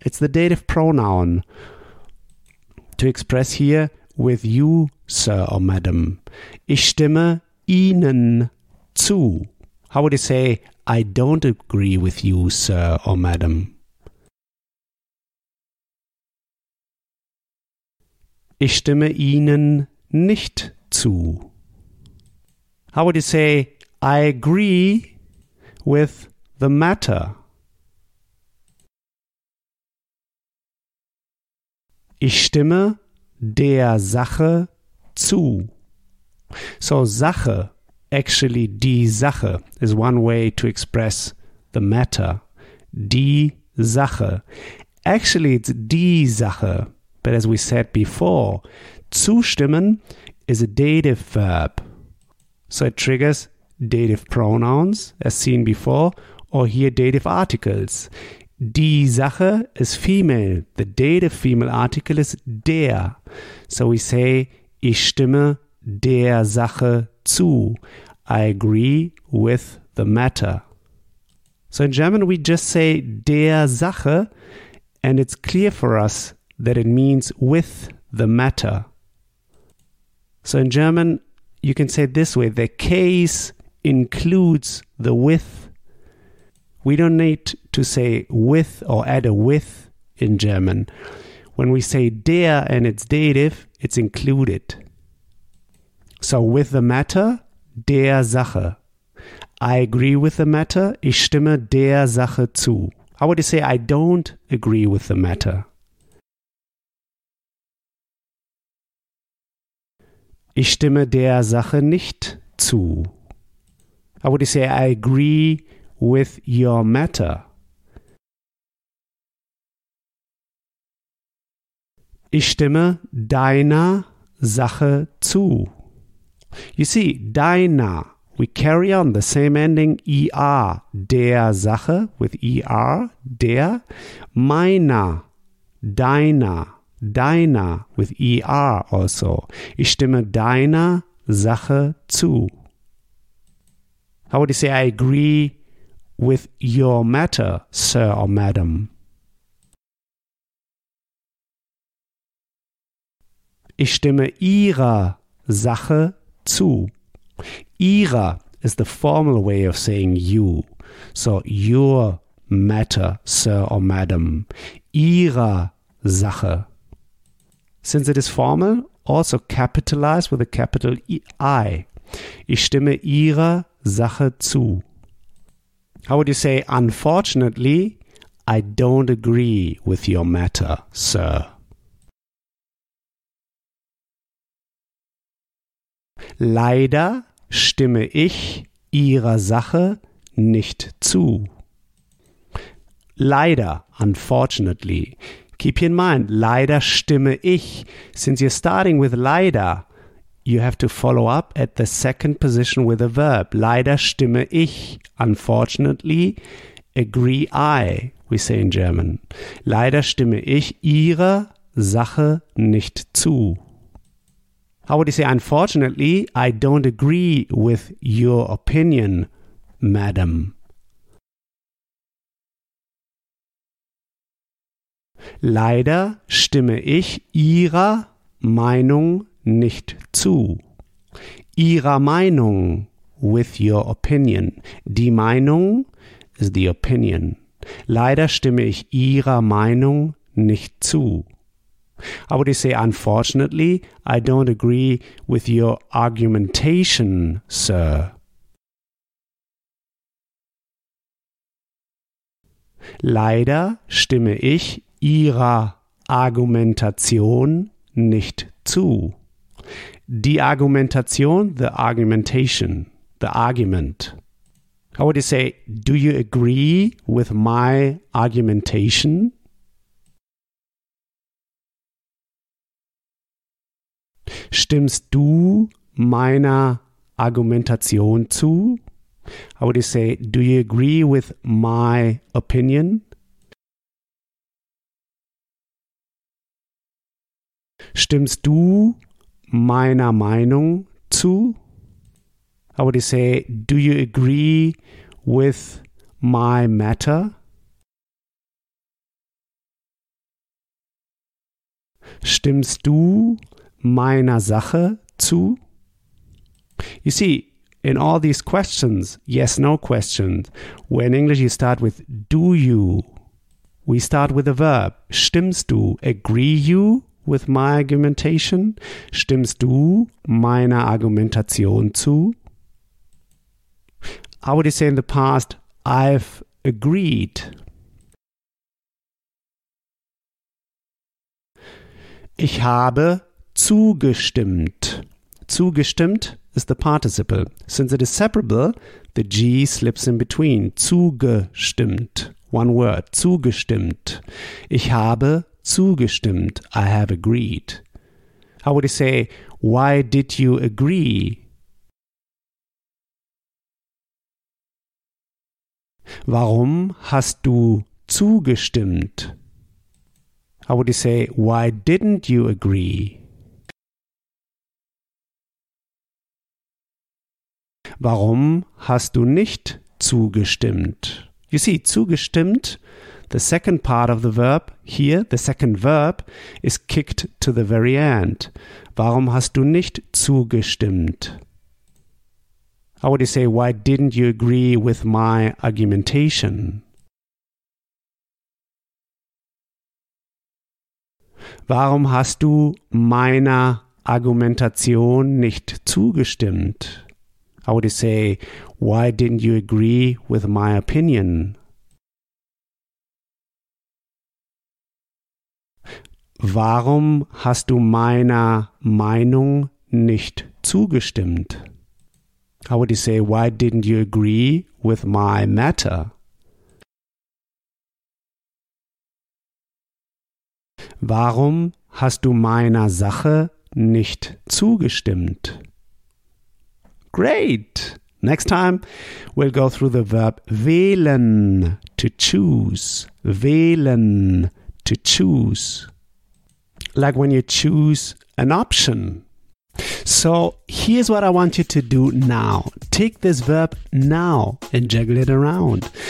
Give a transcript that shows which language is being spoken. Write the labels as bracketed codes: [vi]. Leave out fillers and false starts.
[en] It's the dative pronoun to express here with you, sir or madam. [de] Ich stimme Ihnen zu. [en] How would you say I don't agree with you, sir or madam? [de] Ich stimme Ihnen nicht zu. [en] How would you say I agree with the matter? [de] Ich stimme der Sache zu. [en] So Sache, actually die Sache, is one way to express the matter. Die Sache. Actually it's die Sache. But as we said before, zustimmen is a dative verb. So it triggers dative pronouns, as seen before, or here dative articles. Die Sache is female. The dative female article is der. So we say, [de] ich stimme der Sache zu. [en] I agree with the matter. So in German, we just say der Sache, and it's clear for us that it means with the matter. So in German, you can say it this way. The case includes the with. We don't need to say with or add a with in German. When we say der and it's dative, it's included. So with the matter, der Sache. I agree with the matter. [de] Ich stimme der Sache zu. [en] How would you say I don't agree with the matter? [de] Ich stimme der Sache nicht zu. [en] How would you say, I agree with your matter? [de] Ich stimme deiner Sache zu. [en] You see, deiner, we carry on the same ending, er, der Sache, with er, der, meiner, deiner. Deiner, with er also. [de] Ich stimme deiner Sache zu. [en] How would you say I agree with your matter, sir or madam? [de] Ich stimme ihrer Sache zu. [en] Ira is the formal way of saying you. So your matter, sir or madam. Ira Sache. Since it is formal, also capitalize with a capital I. [de] Ich stimme Ihrer Sache zu. [en] How would you say, unfortunately, I don't agree with your matter, sir? [de] Leider stimme ich Ihrer Sache nicht zu. [en] Leider, unfortunately. Keep in mind, [de] leider stimme ich. [en] Since you're starting with leider, you have to follow up at the second position with a verb. [de] Leider stimme ich. [en] Unfortunately, agree I, we say in German. [de] Leider stimme ich ihrer Sache nicht zu. [en] How would you say, unfortunately, I don't agree with your opinion, madam? [de] Leider stimme ich ihrer Meinung nicht zu. [en] Ihrer Meinung, with your opinion. [de] Die Meinung [en] is the opinion. [de] Leider stimme ich ihrer Meinung nicht zu. [en] How would you say, unfortunately, I don't agree with your argumentation, sir? [de] Leider stimme ich Ihrer Argumentation nicht zu. [en] Die Argumentation, the argumentation, the argument. How would you say, do you agree with my argumentation? [de] Stimmst du meiner Argumentation zu? [en] How would you say, do you agree with my opinion? [de] Stimmst du meiner Meinung zu? [en] How would you say, do you agree with my matter? [de] Stimmst du meiner Sache zu? [en] You see, in all these questions, yes, no questions, where in English you start with do you, we start with a verb. [de] Stimmst du, [en] agree you? With my argumentation? [de] Stimmst du meiner Argumentation zu? [en] How would you say in the past, I've agreed? [de] Ich habe zugestimmt. Zugestimmt [en] is the participle. Since it is separable, the G slips in between. Zugestimmt. One word. Zugestimmt. [de] Ich habe zugestimmt, [en] I have agreed. How would you say, why did you agree? [de] Warum hast du zugestimmt? [en] How would you say, why didn't you agree? [de] Warum hast du nicht zugestimmt? [en] You see, zugestimmt, the second part of the verb here, the second verb, is kicked to the very end. [de] Warum hast du nicht zugestimmt? [en] How would you say, why didn't you agree with my argumentation? [de] Warum hast du meiner Argumentation nicht zugestimmt? [en] How would you say, why didn't you agree with my opinion? [de] Warum hast du meiner Meinung nicht zugestimmt? [en] How would you say, why didn't you agree with my matter? [de] Warum hast du meiner Sache nicht zugestimmt? [en] Great! Next time, we'll go through the verb wählen, to choose. Wählen, to choose. Like when you choose an option. So here's what I want you to do now. Take this verb now and juggle it around.